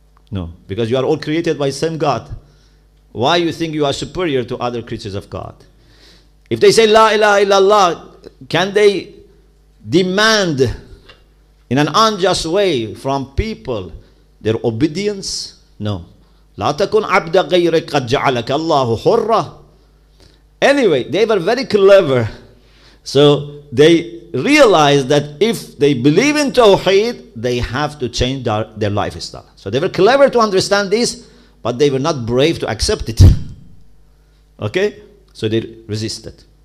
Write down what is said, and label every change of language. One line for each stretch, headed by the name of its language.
English: No, because you are all created by the same God. Why you think you are superior to other creatures of God? If they say La ilaha illallah, can they demand in an unjust way from people their obedience? No.
Arabic: لا تكن عبد غيرك قد جعلك الله حرة.
English: Anyway, they were very clever. So they realized that if they believe in Tawheed, they have to change their lifestyle. So they were clever to understand this, but they were not brave to accept it. Okay? So they resisted.